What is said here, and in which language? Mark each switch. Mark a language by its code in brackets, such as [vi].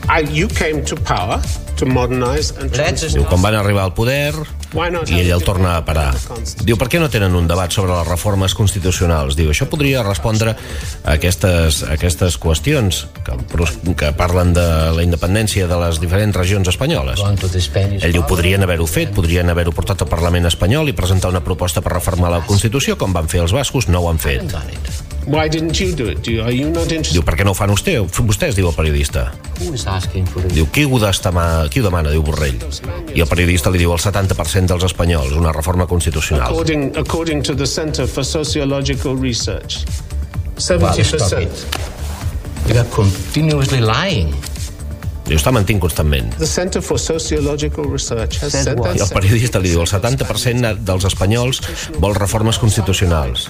[en] You came to power to modernize and transform. [ca] Diu, quan van arribar al poder... I ell el torna a parar. Diu, per què no tenen un debat sobre les reformes constitucionals? Diu, això podria respondre a aquestes qüestions que parlen de la independència de les diferents regions espanyoles. Ell diu, podrien haver-ho fet, podrien haver-ho portat al Parlament espanyol i presentar una proposta per reformar la Constitució, com van fer els bascos, no ho han fet. [en] Why didn't you do it? Are you not interested? [ca] Diu, per què no ho fan vostès, diu el periodista. Diu, qui ho demana, diu Borrell. I el periodista li diu, el 70% dels espanyols, una reforma constitucional. [en] According to the Center for Sociological Research, 70%. You are continuously lying. [ca] Diu, està mentint constantment. [en] The Center for Sociological Research has said that... [ca] I el periodista li diu, el 70% dels espanyols vol reformes constitucionals.